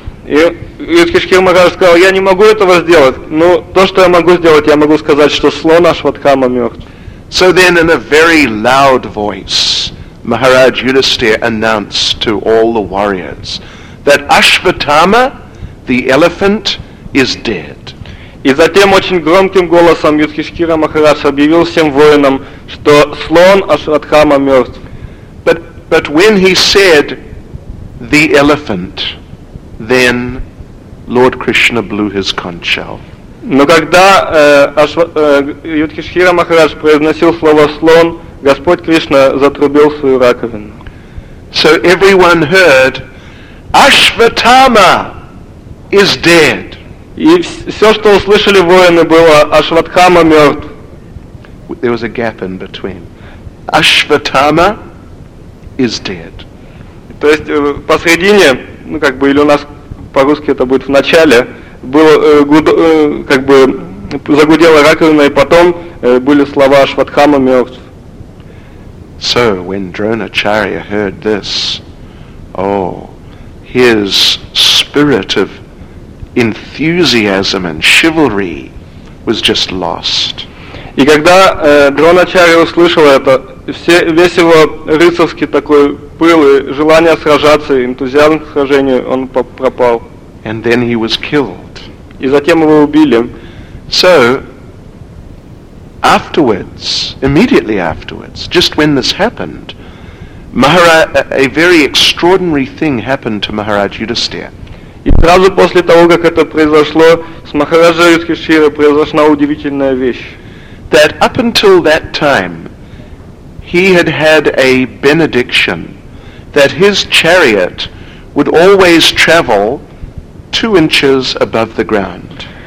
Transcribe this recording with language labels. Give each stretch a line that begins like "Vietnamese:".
Russian: Юдхишхир Махарадж сказал, я не могу этого сделать, но то, что я могу сделать, я могу сказать, что слон Ашватхама мертв.
English: So then in a very loud voice, Maharaj Yudhisthira announced to all the warriors that Ashvatthama, the elephant, is dead.
Russian: И затем очень громким голосом Юдхишхира Махарадж объявил всем воинам, что слон Ашватхама мертв.
English: But when he said the elephant, then Lord Krishna blew his conch shell.
Russian: Но когда Юдхишхира Махарадж произносил слово слон, Господь Кришна затрубил свою раковину.
English: So everyone heard Ashvatthama is dead.
Russian: И все, что услышали воины, было Ашватхама мертв.
English: There was a gap in between. Ашватхама is dead.
Russian: То есть посредине, ну как бы, или у нас по-русски это будет в начале, было как бы загудела раковина, и потом были слова Ашватхама мертв.
English: So when Dronacharya heard this, Oh, his spirit of enthusiasm and chivalry was just lost.
Russian: И когда Дроначарья услышал это, весь его рыцарский такой пыл и желание сражаться, энтузиазм к сражению, он пропал.
English: And then he was killed.
Russian: И затем его убили.
English: So, afterwards, immediately afterwards, just when this happened, a very extraordinary thing happened to Maharaj Yudhisthira.
Russian: И сразу после того, как это произошло, с Махараджа Юдхиштхира произошла удивительная вещь.
English: That up until that time, he had had a benediction that his chariot would always travel 2 inches above the ground.